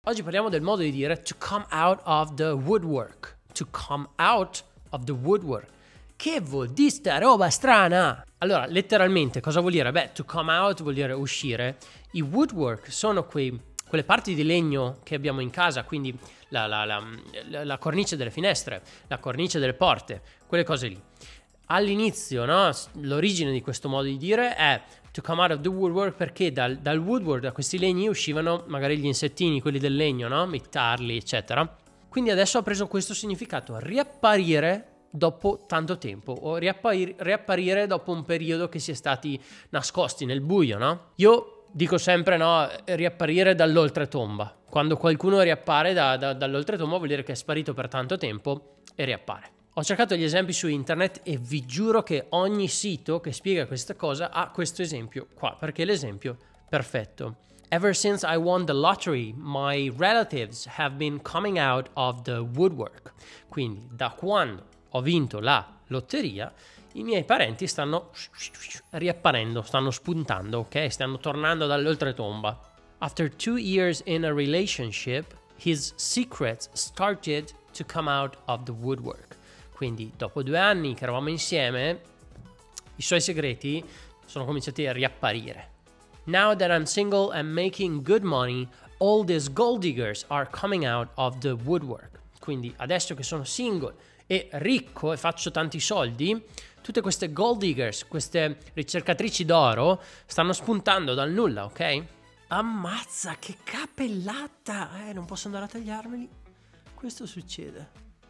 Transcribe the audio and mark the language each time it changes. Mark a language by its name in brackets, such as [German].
[Italian] Oggi parliamo del modo di dire [English] to come out of the woodwork. To come out of the woodwork. [Italian] Che vuol dire sta roba strana? Allora, letteralmente, cosa vuol dire? Beh, [English] to come out [Italian] vuol dire uscire. I woodwork sono quelle parti di legno che abbiamo in casa, quindi la cornice delle finestre, la cornice delle porte, quelle cose lì. All'inizio, no? L'origine di questo modo di dire è [English] to come out of the woodwork, [Italian] perché dal woodwork, da questi legni, uscivano magari gli insettini, quelli del legno, no? I tarli, eccetera. Quindi adesso ha preso questo significato, riapparire dopo tanto tempo, o riapparire dopo un periodo che si è stati nascosti nel buio, no? Io dico sempre, no, riapparire dall'oltretomba. Quando qualcuno riappare dall'oltretomba vuol dire che è sparito per tanto tempo e riappare. Ho cercato gli esempi su internet e vi giuro che ogni sito che spiega questa cosa ha questo esempio qua, perché è l'esempio perfetto. [English] Ever since I won the lottery, my relatives have been coming out of the woodwork. [Italian] Quindi, da quando ho vinto la lotteria, i miei parenti stanno riapparendo, stanno spuntando, ok? Stanno tornando dall'oltretomba. [English] After 2 years in a relationship, his secrets started to come out of the woodwork. [Italian] Quindi, dopo 2 anni che eravamo insieme, i suoi segreti sono cominciati a riapparire. [English] Now that I'm single and making good money, all these gold diggers are coming out of the woodwork. [Italian] Quindi, adesso che sono single e ricco e faccio tanti soldi, tutte queste [English] gold diggers, [Italian] queste ricercatrici d'oro, stanno spuntando dal nulla, ok? Ammazza, che capellata! Non posso andare a tagliarmeli. Questo succede.